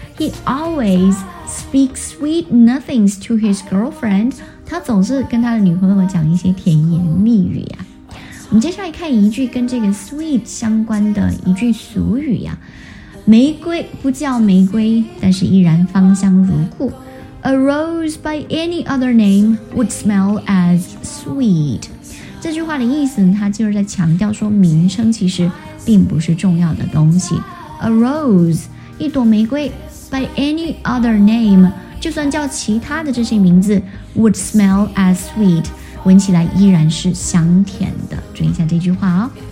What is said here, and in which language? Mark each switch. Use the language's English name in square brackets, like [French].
[English] He always speaks sweet nothings to his girlfriend， [Chinese] 他总是跟他的女朋友讲一些甜言蜜语啊。我们接下来看一句跟这个 sweet 相关的一句俗语啊。玫瑰不叫玫瑰，但是依然芳香如故。 [English] A rose by any other name would smell as sweet. [Chinese] 这句话的意思它就是在强调说名称其实并不是重要的东西。 [English] A rose [Chinese] 一朵玫瑰 [English] by any other name [Chinese] 就算叫其他的这些名字 [English] would smell as sweet， [Chinese] 闻起来依然是香甜的。注意一下这句话哦。